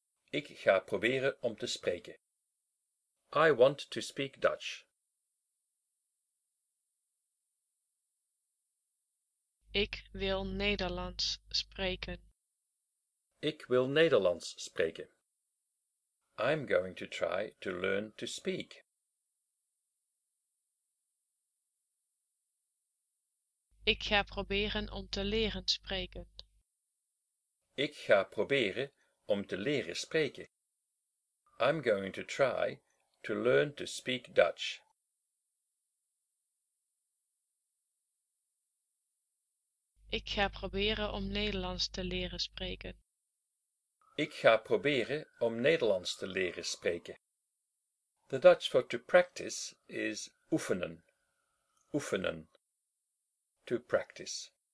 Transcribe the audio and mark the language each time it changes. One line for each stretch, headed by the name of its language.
Dutch: Ik ga proberen om te spreken.
English: I want to speak Dutch.
Dutch: Ik wil Nederlands spreken. Ik wil Nederlands spreken.
English: I'm going to try to learn to speak.
Dutch: Ik ga proberen om te leren spreken. Ik ga proberen om te leren spreken.
English: I'm going to try to learn to speak Dutch.
Dutch: Ik ga proberen om Nederlands te leren spreken. Ik ga proberen om Nederlands te leren spreken.
English: The Dutch for to practice is oefenen. Oefenen. To practice.